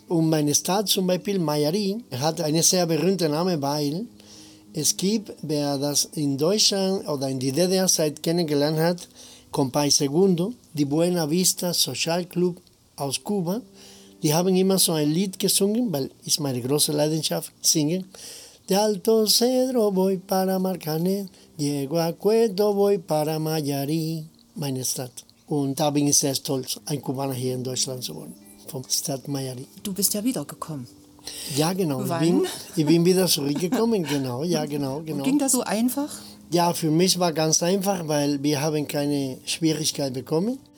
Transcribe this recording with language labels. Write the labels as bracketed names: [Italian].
[German] Und meine Stadt zum Beispiel, Mayarí, hat einen sehr berühmten Namen, weil es gibt, wer das in Deutschland oder in der DDR-Zeit kennengelernt hat, Compay Segundo, die Buena Vista Social Club aus Kuba, die haben immer so ein Lied gesungen, weil ist meine große Leidenschaft, singen. [Spanish] De Alto Cedro voy para Marcané, llego a Cueto voy para Mayarí, [German] meine Stadt. Und da bin ich sehr stolz, ein Kubaner hier in Deutschland zu wohnen, vom Stadt Mayarí. Du bist ja wiedergekommen. Ja, genau. Wann? Ich bin wieder zurückgekommen, genau. Ja, genau. Und ging das so einfach? Ja, für mich war ganz einfach, weil wir haben keine Schwierigkeit bekommen.